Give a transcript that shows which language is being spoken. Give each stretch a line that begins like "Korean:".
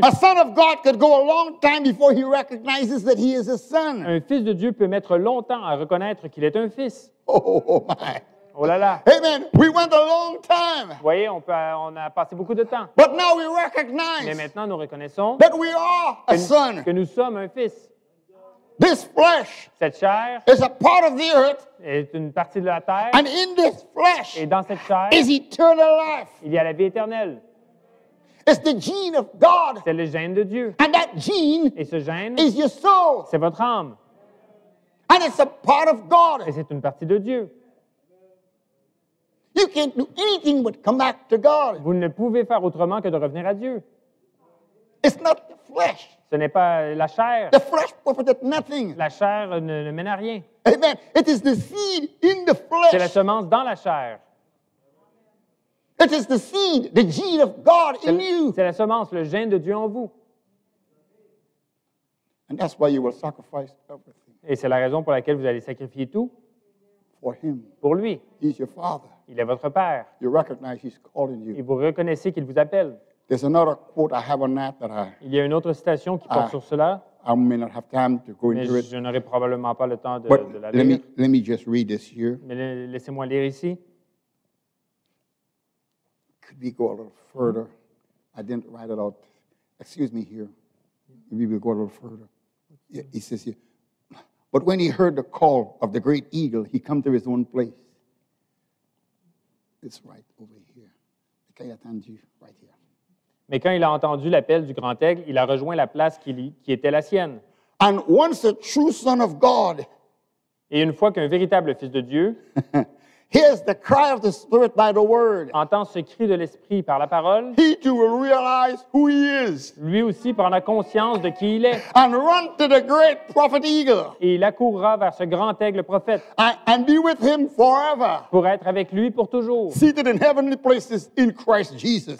English: A son of God could go a long time before he recognizes that he is a son.
French: Un fils de Dieu peut mettre longtemps à reconnaître qu'il est un fils.
English: Oh my.
French: Oh là là.
English: Amen. We went a long time.
French: Vous voyez, on a passé beaucoup de temps.
English: But now we recognize.
French: Mais maintenant nous reconnaissons
English: that we are a son.
French: Que nous sommes un fils.
English: This flesh.
French: Cette chair.
English: Is a part of the earth.
French: Est une partie de la terre.
English: And in this flesh.
French: Et dans cette chair.
English: Is eternal life.
French: Il y a la vie éternelle.
English: It's the gene of God.
French: C'est le gène de Dieu.
English: And that gene.
French: Et ce gène.
English: Is your soul.
French: C'est votre âme.
English: And it's a part of God.
French: Et c'est une partie de Dieu.
English: You can't do anything but come back to God.
French: Vous ne pouvez faire autrement que de revenir à Dieu.
English: It's not the flesh.
French: Ce n'est pas la chair.
English: The flesh profiteth nothing.
French: La chair ne mène à rien.
English: Amen. It is the seed in the flesh.
French: C'est la semence dans la chair.
English: It is the seed, the gene of God in you.
French: C'est la semence, le gène de Dieu en vous.
English: And that's why you will sacrifice everything.
French: Et c'est la raison pour laquelle vous allez sacrifier tout.
English: For him.
French: Pour lui.
English: He's your father.
French: Il est votre père.
English: You recognize he's calling you.
French: Et vous reconnaissez qu'il vous appelle.
English: There's another quote I have on that that I.
French: Il y a une autre citation qui porte sur cela.
English: I may not have time to go into it.
French: Je n'aurai probablement pas le temps de la lire.
English: Let me just read this here.
French: Mais laissez-moi lire ici.
English: Could we go a little further? I didn't write it out. Excuse me here. Maybe we'll go a little further. Yeah, he says here. But when he heard the call of the great eagle, he came to his own place. It's right over here. Can I attend you right here?
French: Mais quand il a entendu l'appel du grand aigle, il a rejoint la place qui était la sienne.
English: And once a true son of God,
French: et une fois qu'un véritable fils de Dieu
English: hears the cry of the Spirit by the word,
French: entend ce cri de l'Esprit par la parole,
English: he too will realize who he is.
French: Lui aussi prendra conscience de qui il est.
English: And run to the great prophet eagle,
French: et il accourra vers ce grand aigle prophète
English: and be with him forever,
French: pour être avec lui pour toujours,
English: seated in heavenly places in Christ Jesus.